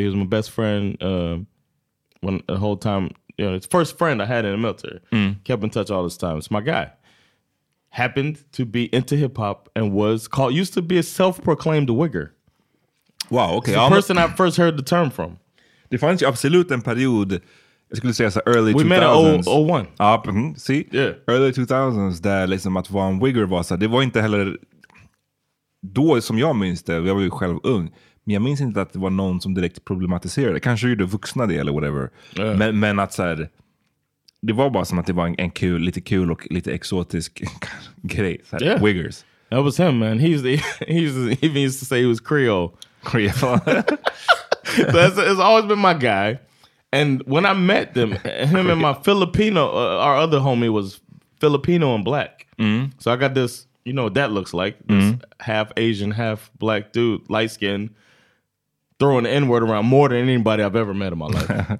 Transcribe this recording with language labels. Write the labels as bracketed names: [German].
[English] He was my best friend when the whole time. You know, his first friend I had in the military. Mm. Kept in touch all this time. It's my guy. Happened to be into hip hop and was called, used to be a self-proclaimed wigger. Wow, okay. It's the person I first heard the term from. [Swedish] Det fanns ju absolut en period. Jag skulle säga så [English] early 2000s. We met in 01. [Swedish] Ja, [English] see? Yeah. Early 2000s, [Swedish] där liksom att vara en wigger var så. Det var inte heller då som jag minns det. Jag var ju själv ung. Men jag minns inte att det var någon som direkt problematiserade. Kanske gjorde vuxna det eller whatever. [English] Yeah. [Swedish] Men att så här, det var bara som att det var en kul, lite kul och lite exotisk grej. Så här, [English] yeah. Wiggers. That was him, man. He used to say he was Creole. Creole. it's always been my guy. And when I met them, him and my Filipino, our other homie was Filipino and black. Mm-hmm. So I got this, you know what that looks like, this half Asian, half black dude, light skin, throwing the N-word around more than anybody I've ever met in my life.